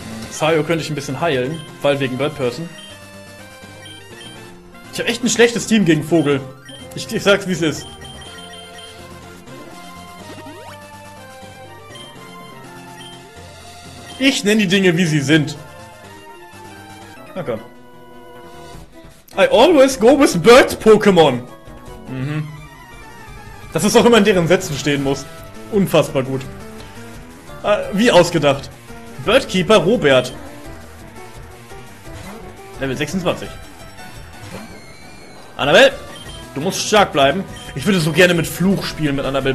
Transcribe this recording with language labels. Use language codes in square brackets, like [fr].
[de] Sayo könnte ich ein bisschen heilen, weil wegen Bird Person. Ich habe echt ein schlechtes Team gegen Vogel. Ich sag's, wie es ist. Ich nenne die Dinge, wie sie sind. Okay. [en] I always go with Bird Pokémon. Mhm. [de] Dass es auch immer in deren Sätzen stehen muss. Unfassbar gut. Wie ausgedacht. Bird Keeper Robert. Level 26. Annabelle, du musst stark bleiben. Ich würde so gerne mit Fluch spielen mit Annabelle.